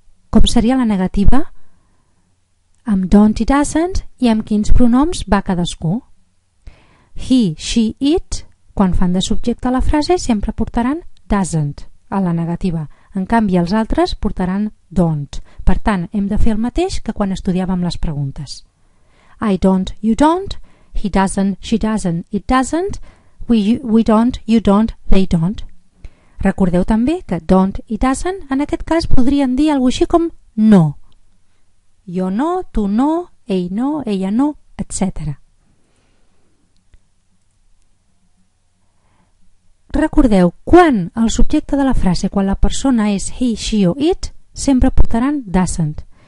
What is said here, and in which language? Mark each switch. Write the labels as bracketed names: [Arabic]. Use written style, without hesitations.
[Catalan] Com seria la negativa? Amb don't i doesn't i amb quins pronoms va cadascú? He, she, it, quan fan de subjecte a la frase, sempre portaran doesn't a la negativa. En canvi, els altres portaran don't. Per tant, hem de fer el mateix que quan estudiàvem les preguntes. [English] I don't, you don't, he doesn't, she doesn't, it doesn't, we don't, you don't, they don't. [Catalan] Recordeu també que don't i doesn't, en aquest cas, podrien dir alguna cosa així com no. Jo no, tu no, ell no, ella no, etc. Recordeu, quan el subjecte de la frase, quan la persona és he, she o it, sempre portaran doesn't.